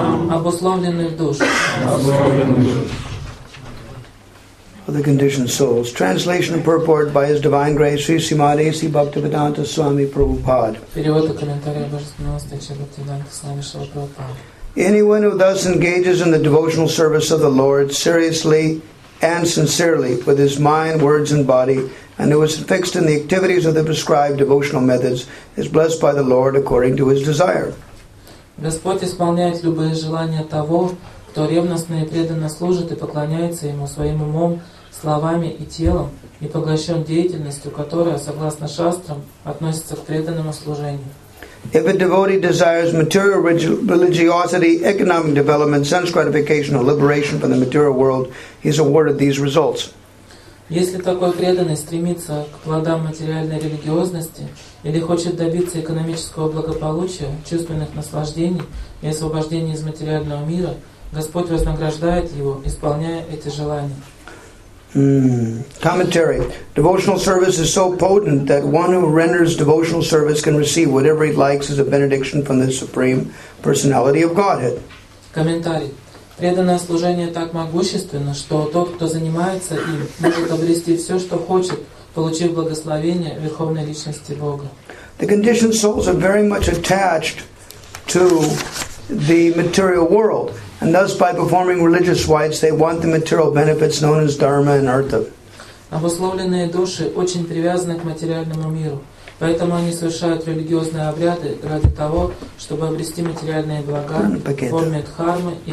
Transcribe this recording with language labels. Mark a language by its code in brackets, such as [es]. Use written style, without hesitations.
[ru] обусловленный душ. [en] Other conditioned souls. Translation of purport by His Divine Grace Sri Srimad A.C. Bhaktivedanta Swami Prabhupada. [ru] Перевод и комментарий Божественного Святого Бхактивиданта Свами Шрила Прабхупады. [en] Anyone who thus engages in the devotional service of the Lord seriously and sincerely with his mind, words, and body, and who is fixed in the activities of the prescribed devotional methods, is blessed by the Lord according to his desire. [ru] Господь исполняет любые желания того, кто ревностно и преданно служит и поклоняется ему своим умом, словами и телом, и поглощен деятельностью, которая, согласно шастрам, относится к преданному служению. [en] If a devotee desires material religiosity, economic development, sense gratification, or liberation from the material world, he is awarded these results. [ru] Если такой преданный стремится к плодам материальной религиозности или хочет добиться экономического благополучия, чувственных наслаждений и освобождения из материального мира, Господь вознаграждает его, исполняя эти желания. [en] Commentary. Devotional service is so potent that one who renders devotional service can receive whatever he likes as a benediction from the Supreme Personality of Godhead. [ru] Комментарий. Преданное служение так могущественно, что тот, кто занимается им, может обрести все, что хочет, получив благословение Верховной Личности Бога. [en] The conditioned souls are very much attached to the material world. And thus, by performing religious rites, they want the material benefits known as dharma and artha. [ru] Обусловленные души очень привязаны к материальному миру, поэтому они совершают религиозные обряды ради того, чтобы обрести материальные блага в форме дхармы и